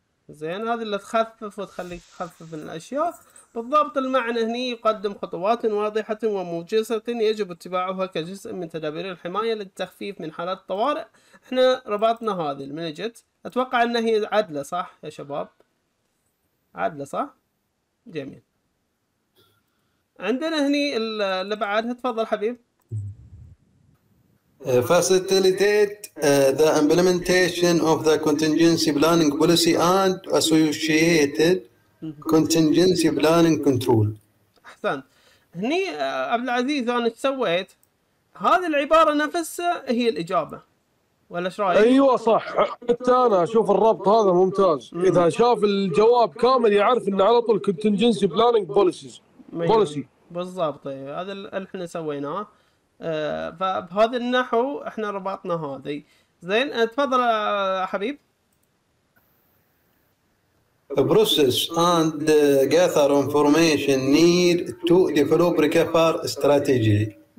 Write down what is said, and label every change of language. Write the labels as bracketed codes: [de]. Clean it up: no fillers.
[ar] زين هذه اللي تخفف وتخليك تخفف من الاشياء بالضبط المعنى هني يقدم خطوات واضحة وموجزة يجب اتباعها كجزء من تدابير الحماية للتخفيف من حالات الطوارئ احنا ربطنا هذه المنجت اتوقع انها هي عدلة صح يا شباب عدلة صح جميل عندنا هني اللي بعدها تفضل حبيب [en] facilitate the implementation of the contingency planning policy and associated contingency planning control [ar] احسن هني عبد العزيز انا سويت هذه العباره نفسها هي الاجابه ولا ايش رايك ايوه صح حتى انا اشوف الربط هذا ممتاز اذا شاف الجواب كامل يعرف انه على طول [en] contingency planning policies [ar] بوليسي بالضبط ايوه هذا اللي احنا سويناه فبهذا النحو احنا ربطنا هذه زين تفضل حبيب [en] The process and gather information need to develop recover strategy.